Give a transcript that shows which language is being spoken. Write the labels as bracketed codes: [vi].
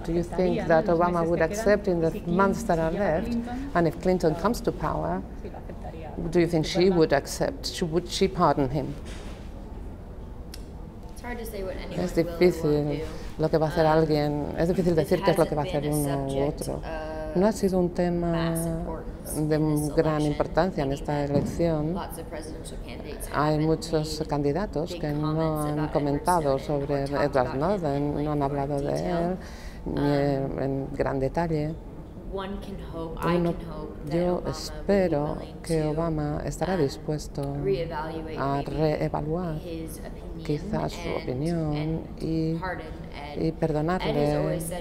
[en] Do you think that Obama would accept in the months that are left? And if Clinton comes to power, do you think she would accept? Would she pardon him? [es] Es difícil lo que va a hacer alguien, es difícil decir qué es lo que va a hacer uno u otro. No ha sido un tema de gran importancia en esta elección. Hay muchos candidatos que no han comentado sobre Edward Snowden, no han hablado de él ni en gran detalle. [en] one can hope, uno, I can hope that [es] yo Obama espero que [en] to, [es] Obama estará dispuesto a reevaluar quizás su opinión y perdonarle.